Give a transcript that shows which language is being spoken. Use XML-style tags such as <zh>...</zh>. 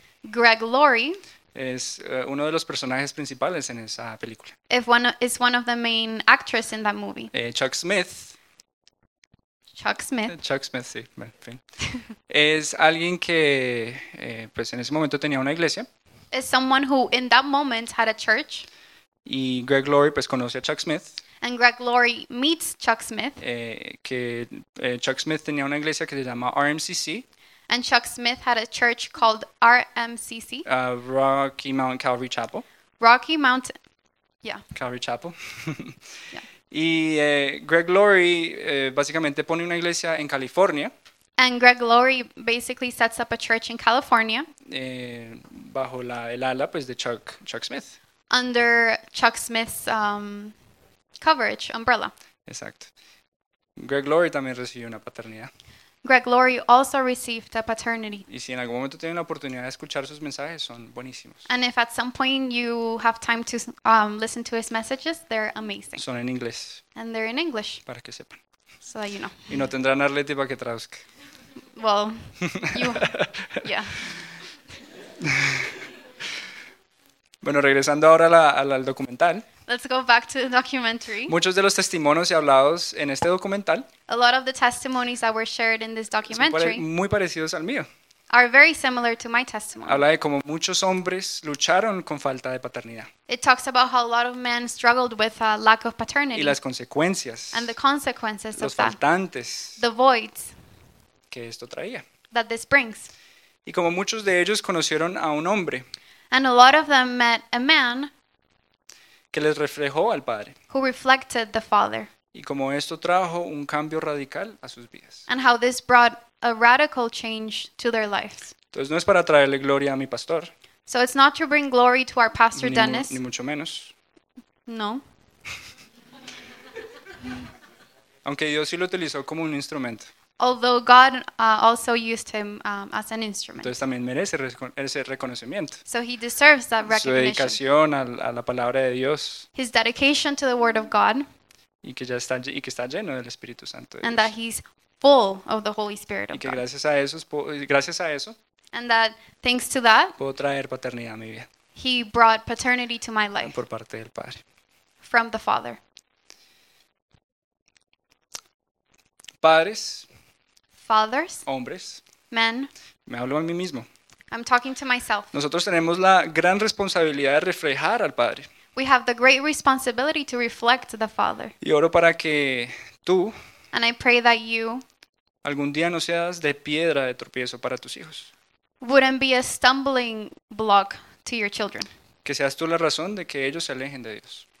<es>Greg Laurie es uno de los personajes principales en esa película.</es> <en>Is one of the main actresses in that movie.</en> <es>Chuck Smith, sí, en fin. Es alguien que pues en ese momento tenía una iglesia.</es> <en>Is someone who in that moment had a church.</en> <es>Y Greg Laurie pues conoce a Chuck Smith.</es> <en>And Greg Laurie meets Chuck Smith.</en> <es>Chuck Smith tenía una iglesia que se llama RMCC.</es> <en>And Chuck Smith had a church called RMCC. Rocky Mount Calvary Chapel. Rocky Mount, yeah.</en> <es>Calvary Chapel. Yeah. Y Greg Laurie básicamente pone una iglesia en California.</es> <en>And Greg Laurie basically sets up a church in California.</en> <es>Bajo el ala pues de Chuck Smith.</es> <en>Under Chuck Smith's coverage, umbrella.</en> <es>Exacto. Greg Laurie también recibió una paternidad.</es> <en>Greg Laurie also received a paternity.</en> <es>Y si en algún momento tienen la oportunidad de escuchar sus mensajes, son buenísimos.</es> <en>And if at some point you have time to listen to his messages, they're amazing.</en> <es>Son en inglés.</es> <en>And they're in English.</en> <es>Para que sepan.</es> <en>So that you know.</en> <es>Y no tendrán Arlete para que traduzca.</es> <en>Well, you, yeah.</en> <es>Bueno, regresando ahora al documental.</es> <en>Let's go back to the documentary.</en> <es>Muchos de los testimonios y hablados en este documental.</es> <en>A lot of the testimonies that were shared in this documentary.</en> <es>Son muy parecidos al mío.</es> <en>Are very similar to my testimony.</en> <es>Habla de cómo muchos hombres lucharon con falta de paternidad.</es> <en>It talks about how a lot of men struggled with a lack of paternity.</en> <es>Y las consecuencias.</es> <en>And the consequences of that.</en> <es>Los faltantes.</es> <en>The voids.</en> <es>Que esto traía.</es> <en>That this brings.</en> <es>Y como muchos de ellos conocieron a un hombre.</es> <en>And a lot of them met a man.</en> <es>Que les reflejó al padre.</es> <en>Who reflected the father.</en> <es>Y como esto trajo un cambio radical a sus vidas.</es> <en>And how this brought a radical change to their lives.</en> <es>Entonces no es para traerle gloria a mi pastor.</es> <en>So it's not to bring glory to our pastor Dennis.</en> <es>Ni mucho menos.</es> <en>No.</en> <es>Aunque Dios sí lo utilizó como un instrumento.</es> <en>Although God also used him as an instrument.</en> <es>Entonces también merece ese reconocimiento.</es> <en>So he deserves that recognition.</en> <es>Su dedicación a la palabra de Dios.</es> <en>His dedication to the word of God.</en> <es>Y que ya está y que está lleno del Espíritu Santo de</es> <en>and</en> <es>Dios.</es> <en>That he's full of the Holy Spirit of</en> <es>y que</es> <en>God.</en> <es>Gracias a eso, gracias a eso,</es> <en>and that thanks to that,</en> <es>puedo traer paternidad a mi vida.</es> <en>He brought paternity to my life.</en> <es>Por parte del Padre.</es> <en>From the Father.</en> <es>Padres.</es> <en>Fathers,</en> <es>hombres,</es> <en>men,</en> <es>me hablo a mí mismo.</es> <en>I'm talking to myself.</en> <es>Nosotros tenemos la gran responsabilidad de reflejar al Padre.</es> <en>We have the great responsibility to reflect the Father.</en> <es>Y oro para que tú,</es> <en>and I pray that you,</en> <es>algún día no seas de piedra de tropiezo para tus hijos.</es> <en>Wouldn't be a stumbling block to your children.</en> <es>Que seas tú la razón de que ellos se alejen de Dios.</es>